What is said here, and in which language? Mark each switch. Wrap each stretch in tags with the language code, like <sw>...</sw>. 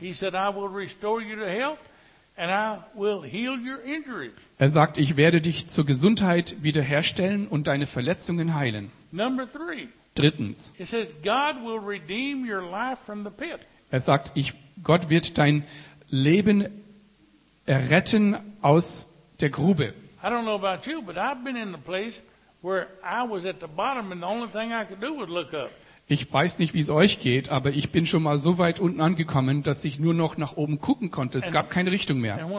<en>He said, I will restore you to health. And I will heal your injuries.</en> <de>Er sagt, ich werde dich zur Gesundheit wiederherstellen und deine Verletzungen heilen.</de> <en>Number three,</en> <de>drittens.</de> <en>It says, God will redeem your life from the pit.</en> <de>Er sagt, Gott wird dein Leben erretten aus der Grube.</de> <en>I don't know about you, but I've been in the place where I was at the bottom and the only thing I could do was look up.</en> <de>Ich weiß nicht, wie es euch geht, aber ich bin schon mal so weit unten angekommen, dass ich nur noch nach oben gucken konnte. Es gab keine Richtung mehr.</de>